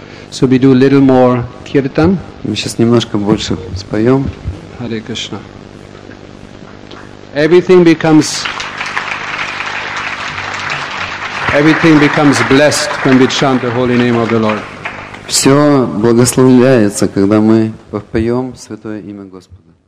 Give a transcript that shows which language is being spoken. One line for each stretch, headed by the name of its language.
English: So we do a little more kirtan.
Russian: Мы сейчас немножко больше споем.
English: Hare Krishna. Everything becomes blessed when we chant the holy name of the Lord.
Russian: Все благословляется, когда мы поем святое имя Господа.